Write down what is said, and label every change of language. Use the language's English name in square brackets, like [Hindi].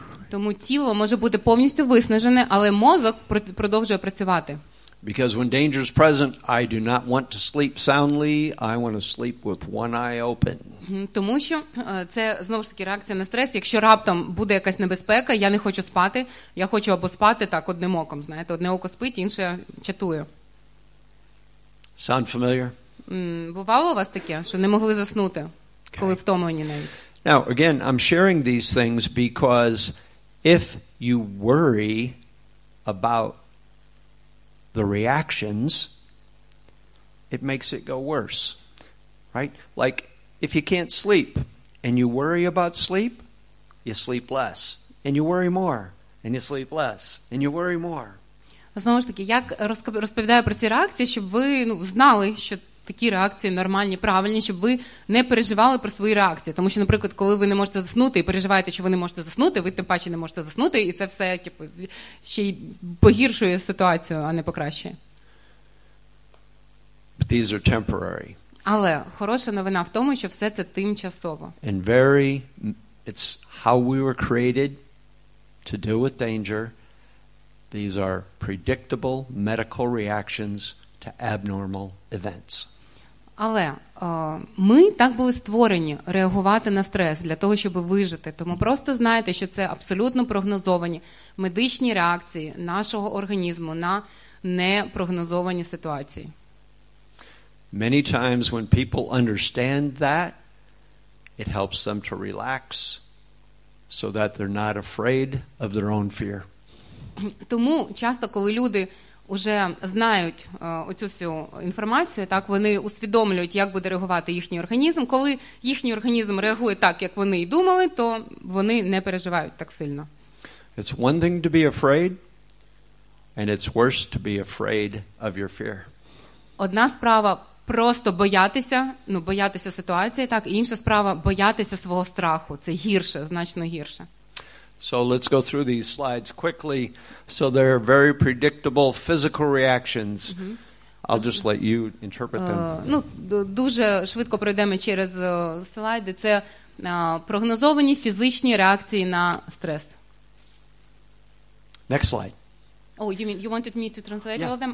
[Ukrainian] Тому тіло може бути повністю виснажене, але мозок продовжує працювати. [English] Because when danger is present, I do not want to sleep soundly. I want to sleep with one eye open. [Ukrainian] Тому що це знову ж таки реакція на стрес. Якщо раптом буде якась небезпека, я не хочу спати. Я хочу або спати так одним оком, знаєте, одне око спить, інше чатує. [English] Sound familiar? [Ukrainian] Бувало у вас таке, що не могли заснути, коли втомлені навіть? [English] Now, again, I'm sharing these things because if you worry about the reactions, it makes it go worse, right? Like, if you can't sleep, and you worry about sleep, you sleep less, and you worry more, and you sleep less, and you worry more. [Ukrainian] Знову ж таки, я розповідаю про ці реакції, щоб ви, ну, знали, що такі реакції нормальні, правильні, щоб ви не переживали про свої реакції. Тому що, наприклад, коли ви не можете заснути і переживаєте, що ви не можете заснути, ви тим паче не можете заснути, і це все, типу, ще й погіршує ситуацію, а не покращує. [English] But these are temporary. [Ukrainian] Але хороша новина в тому, що все це тимчасово. [English] And very, it's how we were created to deal with danger. These are predictable medical reactions to abnormal events. [Ukrainian] Але ми так були створені реагувати на стрес для того, щоб вижити. Тому просто знаєте, що це абсолютно прогнозовані медичні реакції нашого організму на непрогнозовані ситуації. [English] Many times when people understand that, it helps them to relax so that they're not afraid of their own fear. [Ukrainian] Тому часто, коли люди уже знають оцю всю інформацію, так вони усвідомлюють, як буде реагувати їхній організм. Коли їхній організм реагує так, як вони й думали, то вони не переживають так сильно. [English] It's one thing to be afraid, and it's worse to be afraid of your fear. [Ukrainian] Одна справа просто боятися, ну, боятися ситуації, так, і інша справа боятися свого страху. Це гірше, значно гірше. [English] So let's go through these slides quickly. So there are very predictable physical reactions. I'll just let you interpret them. [Ukrainian] Ну, дуже швидко пройдемо через слайди. Це прогнозовані фізичні реакції на стрес. [English] Next slide. Oh, you wanted me to translate all of them?